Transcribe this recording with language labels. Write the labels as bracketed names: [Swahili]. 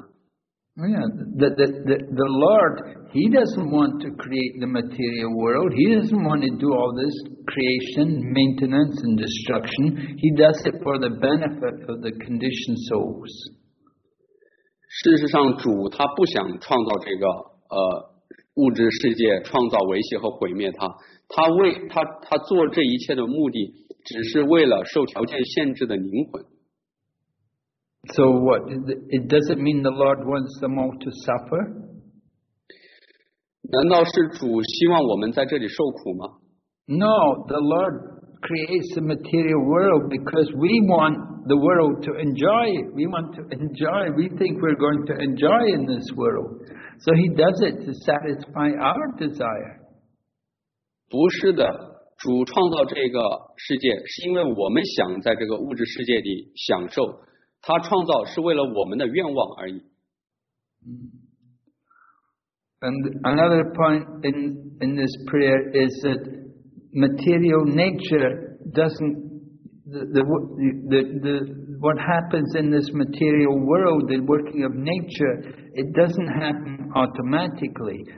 [English] the Lord, he doesn't want to create the material world. He doesn't want to do all this creation, maintenance and destruction. He does it for the benefit of the conditioned souls. [Chinese] 事实上主他不想创造这个 物质世界创造维系和毁灭它，他做这一切的目的只是为了受条件限制的灵魂。 [English] So what? It doesn't mean the Lord wants them all to suffer? 难道是主希望我们在这里受苦吗？ No, the Lord creates the material world because we want the world to enjoy. We want to enjoy. We think we're going to enjoy in this world. So he does it to satisfy our desire. [Chinese] 不是的。主创造这个世界是因为我们想在这个物质世界里享受，他创造是为了我们的愿望而已。 [English] And another point in this prayer is that material nature doesn't the what happens in this material world, the working of nature, it doesn't happen automatically.